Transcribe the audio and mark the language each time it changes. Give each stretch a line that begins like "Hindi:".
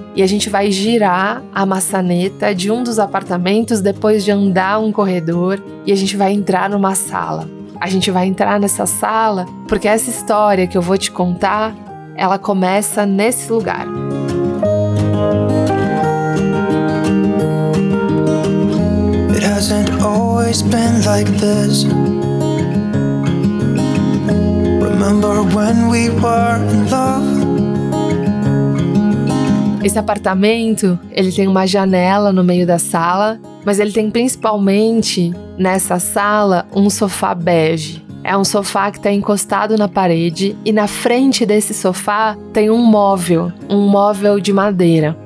Portuguese: E a gente vai girar a maçaneta de um dos apartamentos depois de andar um corredor e a gente vai entrar numa sala. A gente vai entrar nessa sala porque essa história que eu vou te contar, ela começa nesse lugar.
English: It hasn't always been like this. Remember when we were in love?
Portuguese: Esse apartamento, ele tem uma janela no meio da sala, mas ele tem principalmente nessa sala um sofá bege. É um sofá que está encostado na parede e na frente desse sofá tem um móvel de madeira.